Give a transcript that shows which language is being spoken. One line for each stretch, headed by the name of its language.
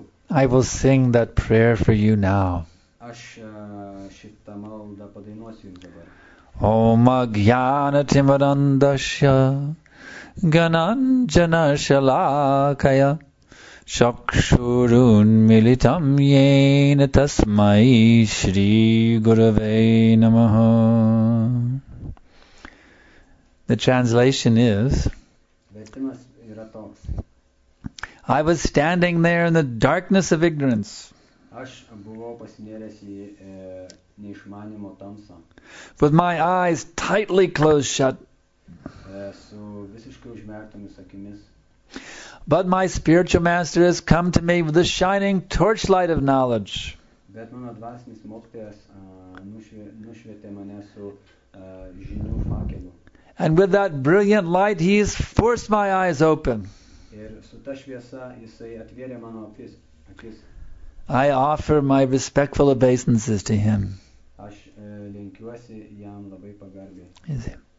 English: I will sing that prayer for you now.
Lithuanian: Aš šitą maldą padainuosiu jums dabar.
Sanskrit: Om Agyana Timarandasya Gananjana Shalakaya Shakshurun Militam Yena Tasmai Shri Gurave Namaha.
English: The translation is,
Lithuanian: vertimas yra toks.
English: I was standing there in the darkness of ignorance.
Lithuanian: Aš buvau pasinėręs į neišmanimo tamsą.
English: With my eyes tightly closed shut.
Lithuanian: Su visiškai užmerktomis akimis.
English: But my spiritual master has come to me with the shining torchlight of knowledge.
Lithuanian: Bet mano dvasinis mokytojas nušvietė mane su žinių fakelu.
English: And with that brilliant light, he has forced my eyes open.
Lithuanian: Ir su ta šviesa jisai atvėrė mano akis.
English: I offer my respectful obeisances to him.
Lithuanian: Aš lenkiuosi jam labai pagarbiai.